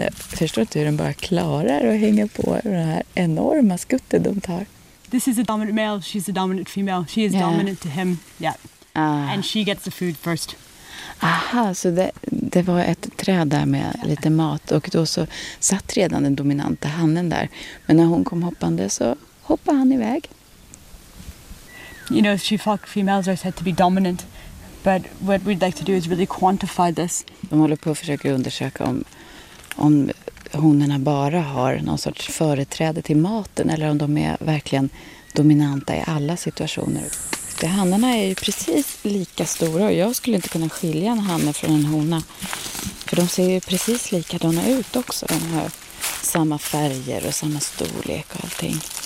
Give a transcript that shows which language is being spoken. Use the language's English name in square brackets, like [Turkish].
[Swedish] Jag förstår inte hur den bara klarar att hänga på den här enorma skutten de tar. [English] This is a dominant male, she's a dominant female. She is dominant to him, yeah. And she gets the food first. [Swedish] Aha, så det var ett träd där med lite mat. Och då så satt redan den dominanta hannen där. Men när hon kom hoppande så hoppade han iväg. [English] You know, females are said to be dominant. But what we'd like to do is really quantify this. [Swedish] De håller på att försöka undersöka om honorna bara har någon sorts företräde till maten eller om de är verkligen dominanta i alla situationer. De hannarna är ju precis lika stora och jag skulle inte kunna skilja en hanne från en hona. För de ser ju precis likadana ut också. De har samma färger och samma storlek och allting.